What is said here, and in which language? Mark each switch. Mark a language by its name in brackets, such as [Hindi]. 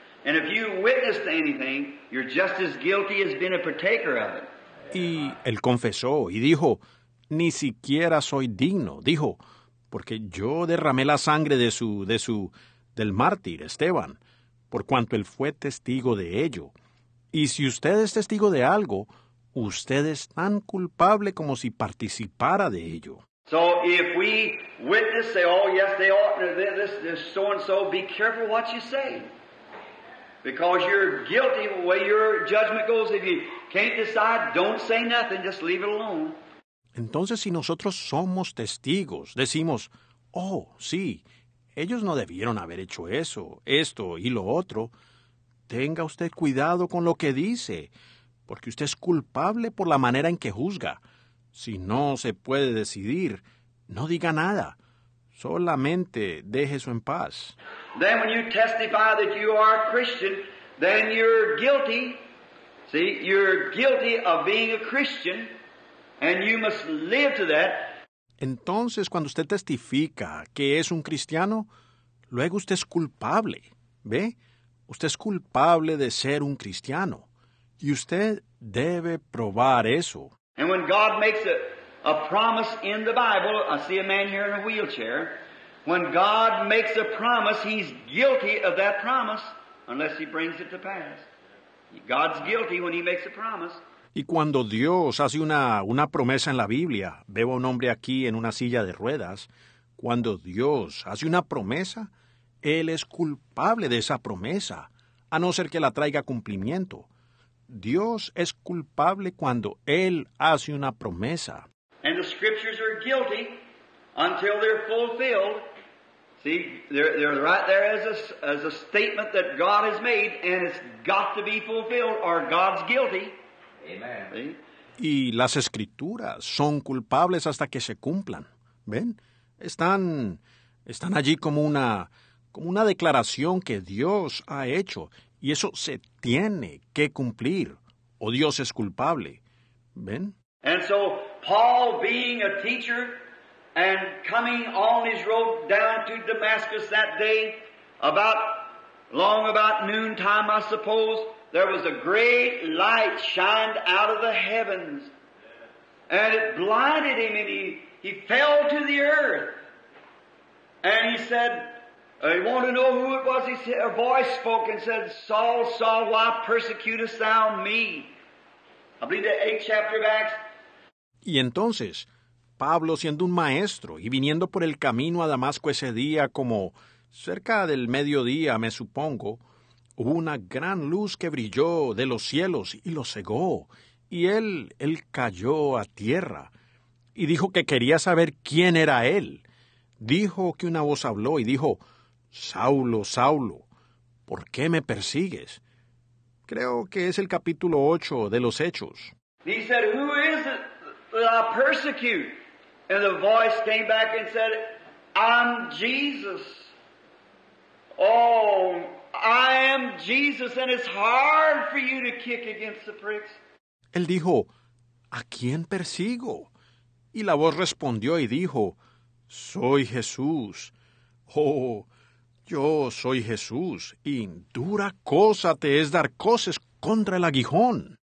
[English] And if you witness to anything, you're just as guilty as being a partaker of it. [Spanish] Y él confesó y dijo, ni siquiera soy digno, dijo, porque yo derramé la sangre del mártir Esteban, por cuanto él fue testigo de ello. Y si usted es testigo de algo, usted es tan culpable como si participara de ello. [English] So if we witness, say, oh yes, they ought to do this, this, so and so, be careful what you say. Because you're guilty the way your judgment goes. If you can't decide, don't say nothing, just leave it alone. [Spanish] Entonces, si nosotros somos testigos, decimos, oh, sí, ellos no debieron haber hecho eso, esto y lo otro, tenga usted cuidado con lo que dice, porque usted es culpable por la manera en que juzga. Si no se puede decidir, no diga nada. Solamente deje eso en paz. [English] Then when you testify that you are a Christian, then you're guilty. See, you're guilty of being a Christian, and you must live to that. [Spanish] Entonces, cuando usted testifica que es un cristiano, luego usted es culpable, ¿ve? Usted es culpable de ser un cristiano. Y usted debe probar eso. [English] And when God makes a promise in the Bible, I see a man here in a wheelchair. When God makes a promise, he's guilty of that promise unless he brings it to pass. God's guilty when he makes a promise. [Spanish] Y cuando Dios hace una promesa en la Biblia, veo a un hombre aquí en una silla de ruedas, cuando Dios hace una promesa, él es culpable de esa promesa, a no ser que la traiga a cumplimiento. Dios es culpable cuando él hace una promesa. [English] And the scriptures are guilty until they're fulfilled. See, they're right there as a statement that God has made, and it's got to be fulfilled, or God's guilty. Amen. [Spanish] Y las escrituras son culpables hasta que se cumplan. ¿Ven? Están allí como una declaración que Dios ha hecho, y eso se tiene que cumplir, o Dios es culpable. ¿Ven? [English] And so Paul, being a teacher and coming on his road down to Damascus that day, about noontime, I suppose, there was a great light shined out of the heavens, and it blinded him, and he fell to the earth. And he said, he wanted to know who it was. He said, a voice spoke and said, Saul, Saul, why persecutest thou me? I believe the 8th chapter of Acts. [Spanish] Y entonces, Pablo, siendo un maestro y viniendo por el camino a Damasco ese día, como cerca del mediodía, me supongo, hubo una gran luz que brilló de los cielos y lo cegó, y él cayó a tierra y dijo que quería saber quién era él. Dijo que una voz habló y dijo, Saulo, Saulo, ¿por qué me persigues? Creo que es el capítulo 8 de los Hechos. [English] He said, who is it that I persecute? And the voice came back and said, I'm Jesus. Oh, I am Jesus, and it's hard for you to kick against the pricks. [Spanish] Él dijo, ¿a quién persigo? Y la voz respondió y dijo, soy Jesús. Oh, yo soy Jesús, y dura cosa te es dar coces contra el aguijón.